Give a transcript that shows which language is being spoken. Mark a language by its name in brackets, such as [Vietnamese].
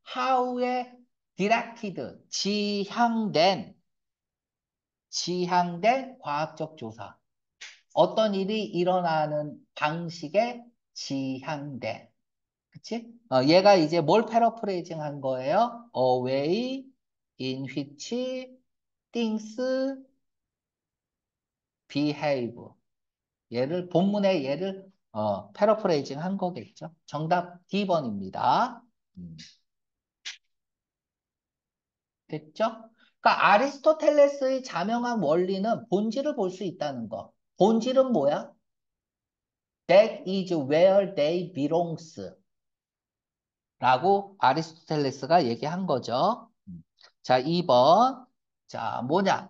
[English] How [Korean] 에 [English] directed, [Korean] 지향된, 지향된 과학적 조사. 어떤 일이 일어나는 방식에 지향된. 그치? 얘가 이제 뭘 패러프레이징 한 거예요? [English] Away in which things behave. [Korean] 얘를, 본문의 얘를, 패러프레이징 한 거겠죠? 정답 D번입니다. 됐죠? 그러니까 아리스토텔레스의 자명한 원리는 본질을 볼수 있다는 거. 본질은 뭐야? [English] That is where they belongs. [Korean] 라고 아리스토텔레스가 얘기한 거죠. 자, 2번. 자, 뭐냐?